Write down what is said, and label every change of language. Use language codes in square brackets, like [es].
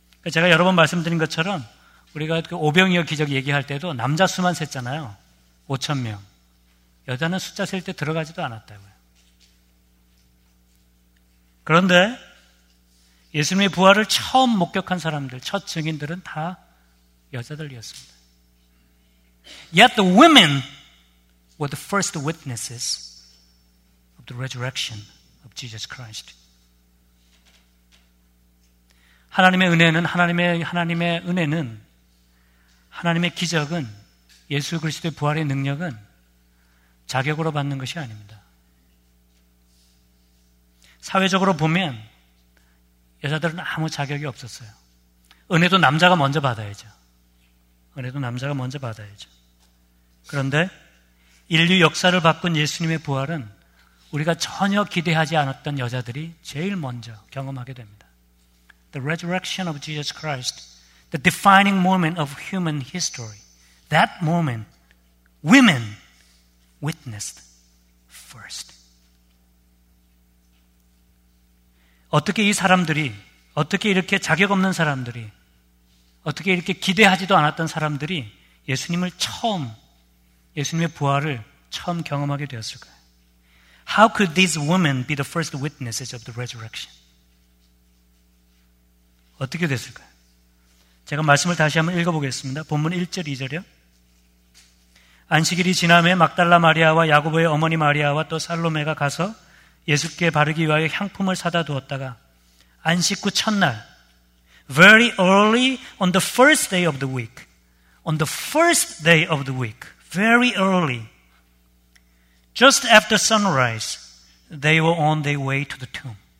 [ko] 제가 여러 번 말씀드린 것처럼 우리가 그 오병이어 기적 얘기할 때도 남자 수만 셌잖아요. 5천 명. 여자는 숫자 셀 때 들어가지도 않았다고요. 그런데 예수님의 부활을 처음 목격한 사람들, 첫 증인들은 다 여자들이었습니다. [en] Yet the women were the first witnesses of the resurrection of Jesus Christ. [ko] 하나님의 은혜는 하나님의 기적은 예수 그리스도의 부활의 능력은 자격으로 받는 것이 아닙니다. 사회적으로 보면 여자들은 아무 자격이 없었어요. 은혜도 남자가 먼저 받아야죠. 은혜도 남자가 먼저 받아야죠. 그런데 인류 역사를 바꾼 예수님의 부활은 우리가 전혀 기대하지 않았던 여자들이 제일 먼저 경험하게 됩니다. [en] The resurrection of Jesus Christ, the defining moment of human history. That moment, women witnessed first. [ko] 어떻게 이 사람들이, 어떻게 이렇게 자격 없는 사람들이, 어떻게 이렇게 기대하지도 않았던 사람들이 예수님을 처음, 예수님의 부활을 처음 경험하게 되었을까요? [en] How could these women be the first witnesses of the resurrection? [ko] 어떻게 됐을까요? 제가 말씀을 다시 한번 읽어보겠습니다. 본문 1절, 2절이요. 안식일이 지남에 막달라 마리아와 야고보의 어머니 마리아와 또 살로메가 가서 예수께 바르기 위하여 향품을 사다 두었다가 안식 후 첫날, [en] very early on the first day of the week, on the first day of the week, very early, just after sunrise, they were on their way to the tomb.